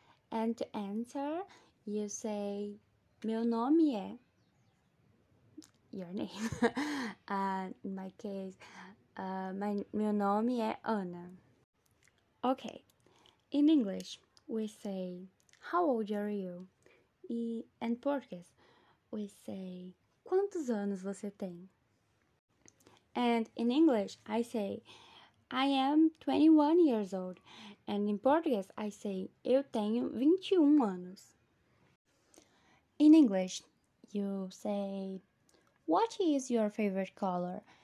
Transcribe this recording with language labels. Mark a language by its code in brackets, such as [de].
[en] And to answer, you say, [pt] meu nome é. [en] Your name. in my case, [pt] meu nome é Ana. [en] Okay, in English, we say, how old are you? In Portuguese, we say, [pt] quantos anos você tem? [en] And in English, I say, I am 21 years old. And in Portuguese, I say, [pt] eu tenho 21 anos. [en] In English, you say, what is your favorite color?